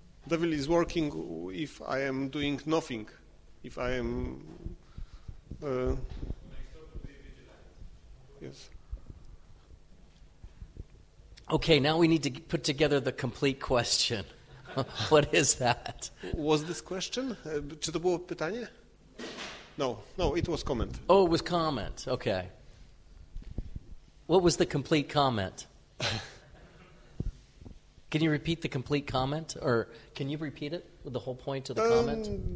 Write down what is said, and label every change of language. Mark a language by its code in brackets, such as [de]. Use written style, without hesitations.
[en] devil is working if I am doing nothing, if I am yes. Okay, now we need to put together the complete question. What is that? Was this question? [pl] Czy to było pytanie? [en] No, it was comment. Oh, it was comment. Okay. What was the complete comment? Can you repeat the complete comment, or can you repeat it with the whole point of the comment?